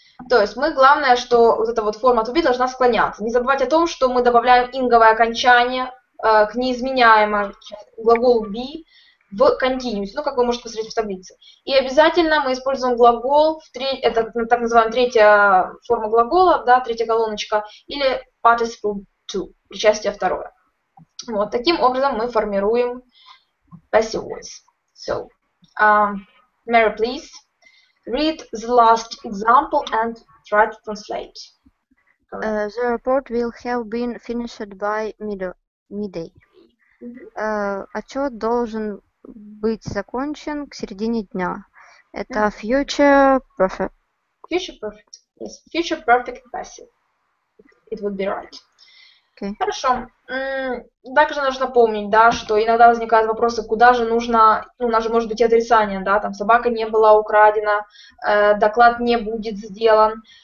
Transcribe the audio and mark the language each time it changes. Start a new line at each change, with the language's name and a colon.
Russian: То есть мы главное, что вот эта вот форма to be должна склоняться. Не забывать о том, что мы добавляем инговое окончание к неизменяемому глаголу be в continuous, ну, как вы можете посмотреть в таблице. И обязательно мы используем глагол, это так называемая третья форма глагола, да, третья колоночка, или participle to, причастие второе. Вот, таким образом мы формируем passive voice.
English: So, Mary, please, read the last example and try to translate. The report will have been finished by midday.
Russian: Отчет должен быть закончен к середине дня. Это future perfect.
English: Future perfect. Yes. Future perfect passive. It would be right. Okay.
Russian: Хорошо. Также нужно помнить, да, что иногда возникают вопросы, куда же нужно, ну, у нас же может быть отрицание, да, там собака не была украдена, доклад не будет сделан.